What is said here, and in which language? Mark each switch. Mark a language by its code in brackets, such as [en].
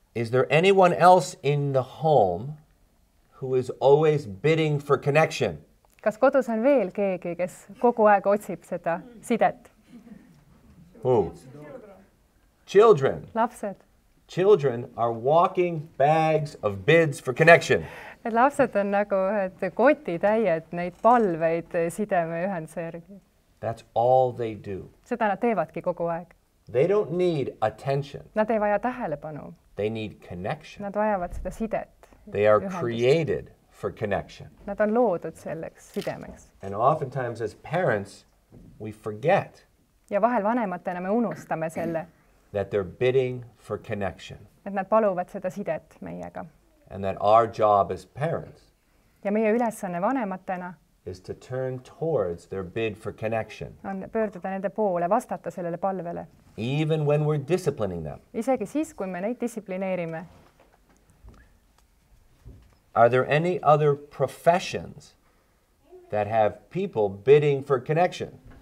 [en] Is there anyone else in the home who is always bidding for connection? [et] Kas kodus on veel keegi, kes kogu aeg otsib seda sidet? [en] Who? Children. [et] Lapsed. [en] Children are walking bags of bids for connection. [et] Et lapsed on nagu, et koti täied neid palveid sideme ühenduse järgi. [en] That's all they do. [et] Seda nad teevadki kogu aeg. [en] They don't need attention. [et] Nad ei vaja tähelepanu. [en] They need connection. [et] Nad vajavad seda sidet. [en] They are created for connection. [et] Nad on loodud selleks sidemeks. [en] And oftentimes as parents, we forget. [et] Ja vahel vanematena me unustame selle. [en] That they're bidding for connection. [et] Et nad paluvad seda sidet meiega. [en] And that our job as parents [et] ja meie ülesanne vanematena [en] is to turn towards their bid for connection. [et] On pöörduda nende poole, vastata sellele palvele. [en] Even when we're disciplining them. [et] Isegi siis, kui me neid disciplineerime. [en] Are there any other professions that have people bidding for connection?